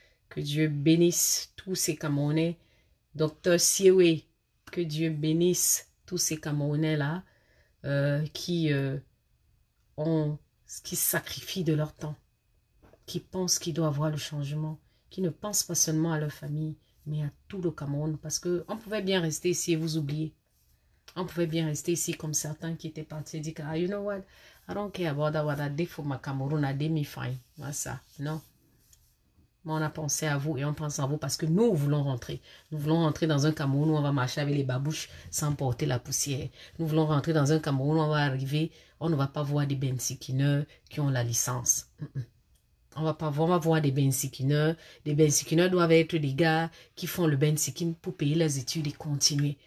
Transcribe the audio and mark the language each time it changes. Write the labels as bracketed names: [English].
[French] Que Dieu bénisse tous ces Camerounais. Docteur Siwe, que Dieu bénisse tous ces Camerounais-là qui sacrifient de leur temps. Qui pensent qu'ils doivent voir le changement, qui ne pensent pas seulement à leur famille, mais à tout le Cameroun. Parce que on pouvait bien rester ici et vous oublier. On pouvait bien rester ici comme certains qui étaient partis et dire que, ah, [English] you know what? I don't care about that, what I did for my Cameroun, I did me fine. [French] Voilà ça. Non. Mais on a pensé à vous et on pense à vous parce que nous voulons rentrer. Nous voulons rentrer dans un Cameroun où on va marcher avec les babouches sans porter la poussière. Nous voulons rentrer dans un Cameroun où on va arriver, on ne va pas voir des bensikineurs qui ont la licence. On ne va pas voir, on va voir des bensikineurs. Des bensikineurs doivent être des gars qui font le bensikine pour payer leurs études et continuer.